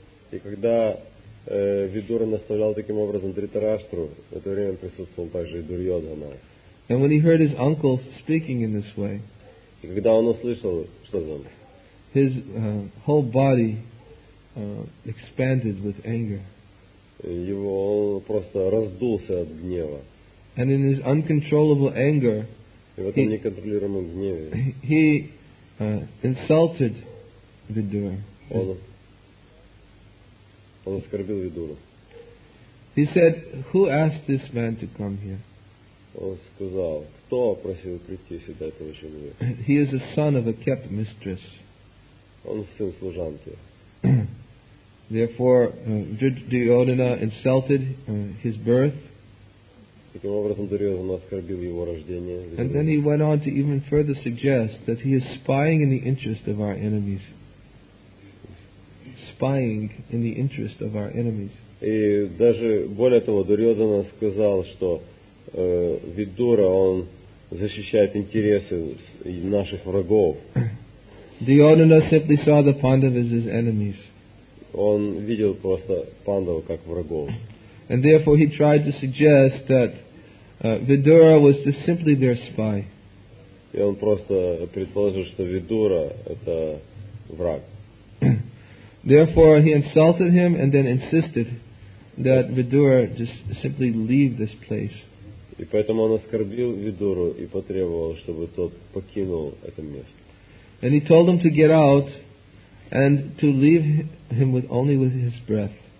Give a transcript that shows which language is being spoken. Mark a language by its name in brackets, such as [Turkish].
[Russian] И когда Видура наставлял таким образом Дхритарашту, в это время присутствовал также и Дурьодхана. [English] And when he heard his uncle speaking in this way, [Russian] и когда он услышал, что за ним, [English] his whole body expanded with anger. [Russian] Его он просто раздулся от гнева. [English] And in his uncontrollable anger, [Russian] и в этом неконтролируемом гневе, [English] he insulted Vidura. [Russian] Он оскорбил Видуру. [English] He said, "Who asked this man to come here?" [Russian] Он сказал, кто просил прийти сюда этого человека? [English] He is a son of a kept mistress. [Russian] Он сын служанки. [English] Therefore, Duryodhana insulted his birth. [Russian] Таким образом, Дурьодхана оскорбил его рождение. [English] And then he went on to even further suggest that he is spying in the interest of our enemies. Spying in the interest of our enemies. [Russian] И даже более того, Дурьодхана сказал, что Видура, он защищает интересы наших врагов. [English] Duryodhana simply saw the Pandavas as enemies. [Russian] Он видел просто Пандаву как врагов. [English] And therefore he tried to suggest that Vidura was just simply their spy. [Russian] И он просто предположил, что Видура это враг. [English] Therefore he insulted him and then insisted that Vidura just simply leave this place. [Russian] И поэтому он оскорбил Видуру и потребовал, чтобы тот покинул это место. [English] And he told him to get out and to leave him with only with his breath.